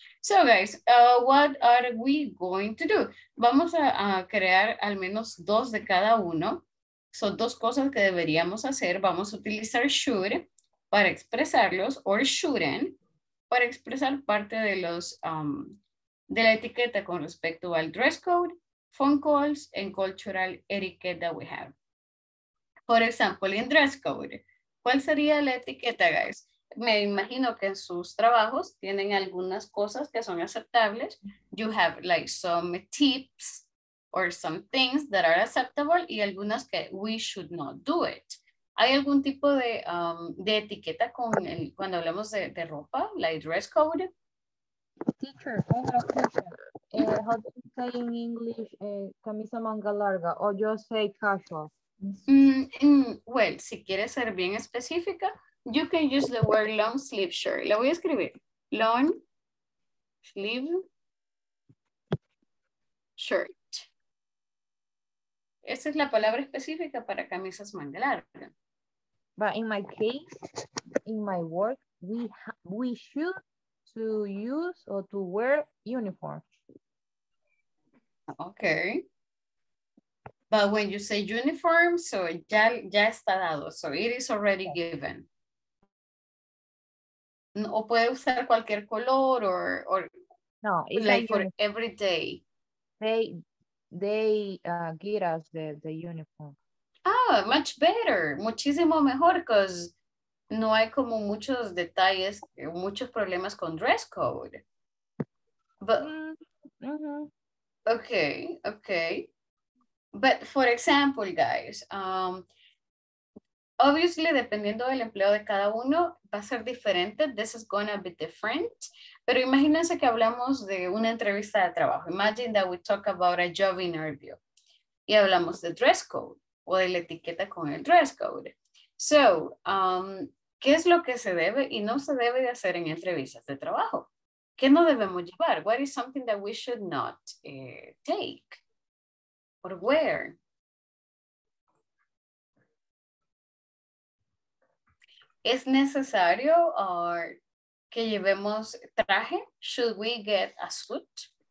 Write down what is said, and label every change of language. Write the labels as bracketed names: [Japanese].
[English] So guys, what are we going to do? [Spanish] Vamos a crear al menos dos de cada uno. Son dos cosas que deberíamos hacer. Vamos a utilizar should para expresarlos [English] or shouldn't [Spanish] para expresar parte de los de la etiqueta con respecto al dress code, [English] phone calls, and cultural etiquette that we have. For example, in dress code, [Spanish] ¿cuál sería la etiqueta, [English] guys? [Spanish] Me imagino que en sus trabajos tienen algunas cosas que son aceptables. [English] You have like some tips or some things that are acceptable [Spanish] y algunas que [English] we should not do it. [Spanish] ¿Hay algún tipo de etiqueta con el, cuando hablamos de ropa, like dress code? [English] Teacher, I have a question. How do you say in English camisa manga larga or just say casual? Well, [Spanish] si quieres ser bien específica, [English] you can use the word long sleeve shirt. [Spanish] La voy a escribir. [English] Long sleeve shirt. [Spanish] Esa es la palabra específica para camisas manga larga. [English] But in my case, in my work, we should to use or to wear uniform. Okay. But when you say uniform, so [Spanish] ya está dado. [English] So it is already given. [Spanish] O puede usar cualquier color or no, [English] it's like for uniform. Every day. They get us the uniform. Ah, much better. [Spanish] Muchísimo mejor because no hay como muchos detalles, muchos problemas con dress code. [English] But, okay. But for example, guys, obviously, [Spanish] dependiendo del empleo de cada uno, va a ser diferente. [English] This is going to be different. [Spanish] Pero imagínense que hablamos de una entrevista de trabajo. [English] Imagine that we talk about a job interview. [Spanish] Y hablamos de dress code o de la etiqueta con el dress code. So, ¿qué es lo que se debe y no se debe de hacer en entrevistas de trabajo? ¿Qué no debemos llevar? [English] What is something that we should not take? Or wear? [Spanish] ¿Es necesario or que llevemos traje? [English] Should we get a suit?